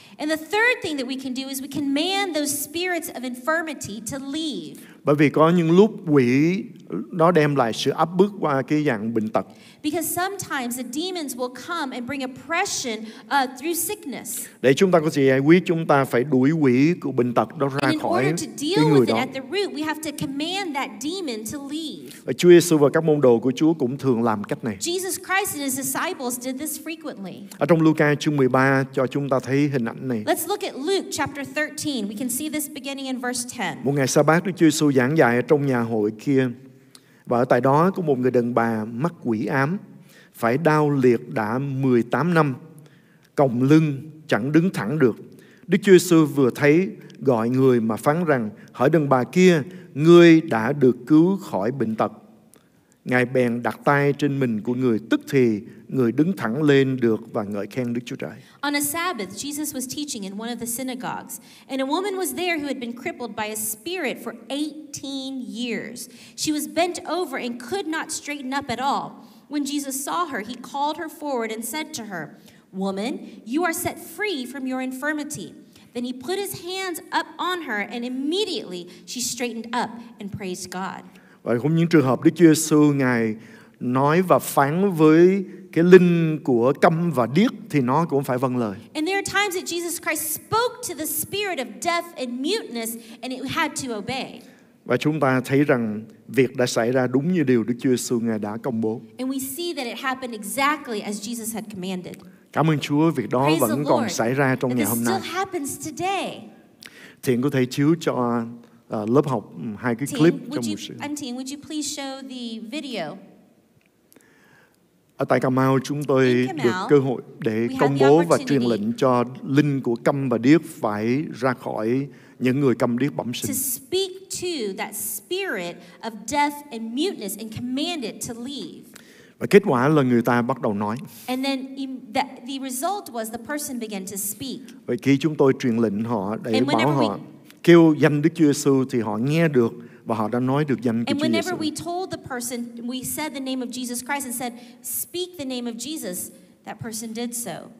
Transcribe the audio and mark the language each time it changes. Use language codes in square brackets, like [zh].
[en] And the third thing that we can do is we can command those spirits of infirmity to leave. [vi] Bởi vì có những lúc quỷ nó đem lại sự áp bức qua cái dạng bệnh tật. [en] Because sometimes the demons will come and bring oppression through sickness. [vi] Để chúng ta có thể giải quyết, chúng ta phải đuổi quỷ của bệnh tật đó ra khỏi cái người đó. [en] At the root, we have to command that demon to leave. [vi] Và Chúa Giêsu và các môn đồ của Chúa cũng thường làm cách này. [en] Jesus Christ and his disciples did this frequently. [vi] Ở trong Luca chương 13 cho chúng ta thấy hình ảnh này. [en] Let's look at Luke chapter 13. We can see this beginning in verse 10. [vi] Một ngày Sa-bát, Đức Chúa Giêsu giảng dạy ở trong nhà hội kia. Và ở tại đó có một người đàn bà mắc quỷ ám, phải đau liệt đã 18 năm, còng lưng chẳng đứng thẳng được. Đức Chúa Giêsu vừa thấy, gọi người mà phán rằng: hỡi đàn bà kia, ngươi đã được cứu khỏi bệnh tật. Ngài bèn đặt tay trên mình của người, tức thì người đứng thẳng lên được và ngợi khen Đức Chúa Trời. [en] On a Sabbath, Jesus was teaching in one of the synagogues, and a woman was there who had been crippled by a spirit for 18 years. She was bent over and could not straighten up at all. When Jesus saw her, he called her forward and said to her, "Woman, you are set free from your infirmity." Then he put his hands up on her, and immediately she straightened up and praised God. [vi] Và cũng những trường hợp Đức Chúa Giêsu ngài nói và phán với cái linh của câm và điếc thì nó cũng phải vâng lời. [en] And there are times that Jesus Christ spoke to the spirit of deaf and muteness and it had to obey. [vi] Và chúng ta thấy rằng việc đã xảy ra đúng như điều Đức Chúa Giêsu ngài đã công bố. [en] And we see that it happened exactly as Jesus had commanded. [vi] Cảm ơn Chúa, việc đó [en] praise [vi] vẫn còn xảy ra trong ngày hôm nay. [en] Still happens today. [vi] Thiện có thể chiếu cho lớp học hai cái Thiện, clip trong một sự. [en] Anh Thiện, would you please show the video? [vi] Ở tại Cà Mau, chúng tôi được cơ hội để công bố và truyền lệnh cho linh của câm và điếc phải ra khỏi những người câm điếc bẩm sinh. [en] To speak to that spirit of deaf and muteness and command it to leave. [vi] Và kết quả là người ta bắt đầu nói. [en] And then the result was the person began to speak. [vi] Vậy khi chúng tôi truyền lệnh họ để bảo họ kêu danh Đức Chúa Giêsu thì họ nghe được và họ đã nói được danh của [en] Chúa Giêsu. And whenever we told the person, we said the name of Jesus Christ and said, "Speak the name of Jesus," that person did so.